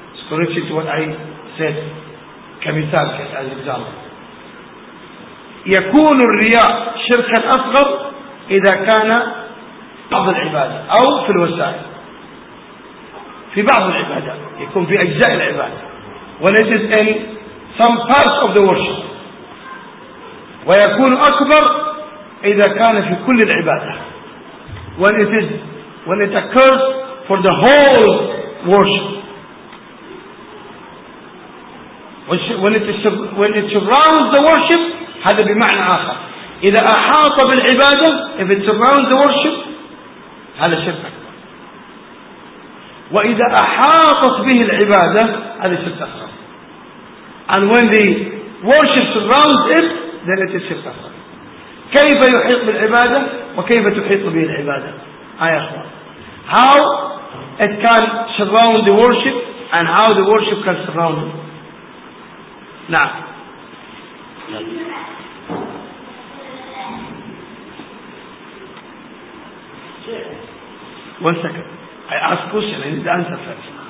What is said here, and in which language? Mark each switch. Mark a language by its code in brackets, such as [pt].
[en] Correct to what I said. [ar] كمثال كأي مثال. يكون الرياء شركا أصغر إذا كان بعض العبادة أو في الوسائل. في بعض العبادة يكون في أجزاء العبادة. [en] وليس in some parts of the worship. [ar] ويكون أكبر إذا كان في كل العبادة. [en] When it occurs for the whole worship. When it surrounds the worship, [ar] هذا بمعنى آخر. إذا أحاط بالعبادة, [en] if it surrounds the worship, [ar] هذا شرك أكبر. وإذا أحاطت به العبادة, هذا شرك أصغر. [en] And when the worship surrounds it, then it is شرك أصغر. [ar] كيف يحيط بالعبادة وكيف تحيط به العبادة؟ يا إخوان. [en] How it can surround the worship and how the worship can surround it. [ar] نعم. [en] One second. I ask question. I need the answer first.